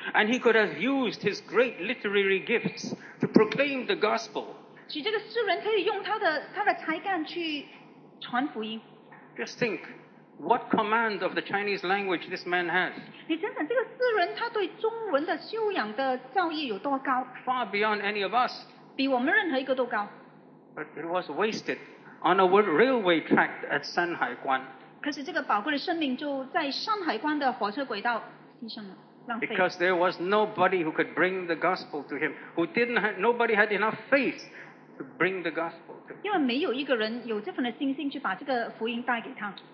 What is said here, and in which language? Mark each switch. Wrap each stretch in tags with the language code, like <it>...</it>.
<en>And he could have used his great literary gifts to proclaim the gospel.</en> <zh>使这个诗人可以用他的才干去传福音。</zh> <en>Just think, what command of the Chinese language this man has.</en> <zh>你想想这个诗人他对中文的修养的造诣有多高。</zh> <en>Far beyond any of us.</en> <zh>比我们任何一个都高。</zh> <en>But it was wasted on a railway track at Shanghai Guan.</en> <zh>可是这个宝贵的生命就在山海关的火车轨道牺牲了，浪费。</zh> <en>Because there was nobody who could bring the gospel to him, who didn't have, nobody had enough faith to bring the gospel to him.</en> <zh>因为没有一个人有这份的信心去把这个福音带给他。</zh>